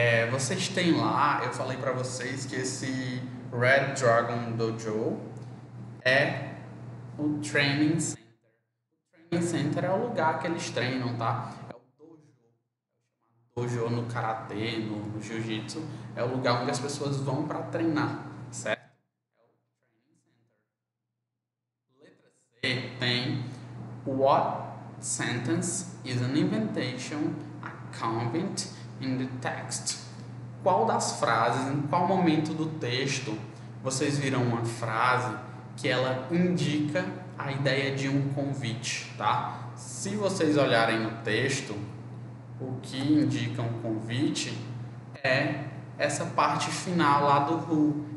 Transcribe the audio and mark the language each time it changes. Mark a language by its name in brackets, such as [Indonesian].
[Portuguese] Vocês têm lá, eu falei para vocês que esse Red Dragon Dojo é o training center. O training center é o lugar que eles treinam, tá? É o dojo. Dojo no karatê, no jiu-jitsu. É o lugar onde as pessoas vão para treinar, certo? É o training center. Letra C tem [English] what sentence is an invitation, a comment in the text? [Portuguese] Qual das frases, em qual momento do texto vocês viram uma frase que ela indica a ideia de um convite, tá? Se vocês olharem no texto, o que indica um convite é essa parte final lá do who.